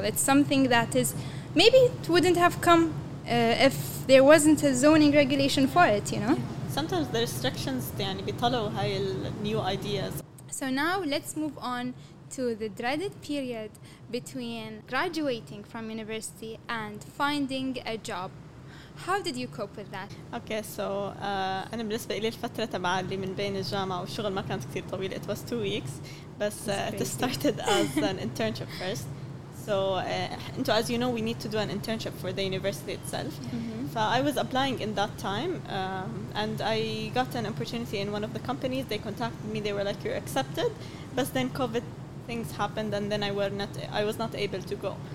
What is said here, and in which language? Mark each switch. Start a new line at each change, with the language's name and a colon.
English: It's something that is, maybe it wouldn't have come if there wasn't a zoning regulation for it, you know? Sometimes the restrictions, يعني بيطلعوا هاي new ideas. So now let's move on to the dreaded period between graduating from university and finding a job. How did you cope with that?
Arabic: Okay, so أنا بالنسبة إلي الفترة تبع اللي من بين الجامعة والشغل ما كانت كتير طويلة.
English: It was 2 weeks, but it started as an internship first. So, as you know, we need to do an internship for the university itself. Mm-hmm. So I was applying in that time, and I got an opportunity in one of the companies. They contacted me. They were like, "You're accepted," but then COVID things happened, and then I was not able to go.